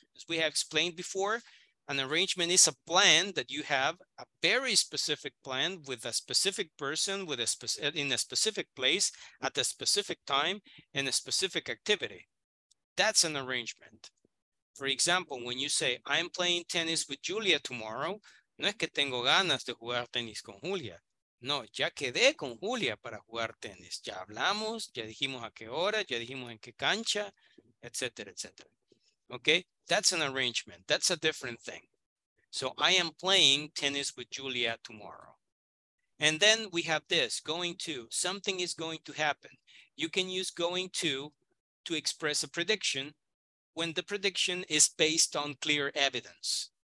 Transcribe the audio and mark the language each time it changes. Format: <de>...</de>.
<en>As we have explained before, an arrangement is a plan that you have, a very specific plan with a specific person, with a in a specific place, at a specific time, in a specific activity. That's an arrangement. For example, when you say, I'm playing tennis with Julia tomorrow,</en> <es>No es que tengo ganas de jugar tenis con Julia. No, ya quedé con Julia para jugar tenis. Ya hablamos, ya dijimos a qué hora, ya dijimos en qué cancha, etcétera, etcétera.</es> <en>Okay, that's an arrangement. That's a different thing. So I am playing tennis with Julia tomorrow. And then we have this, going to. Something is going to happen. You can use going to express a prediction when the prediction is based on clear evidence.</en>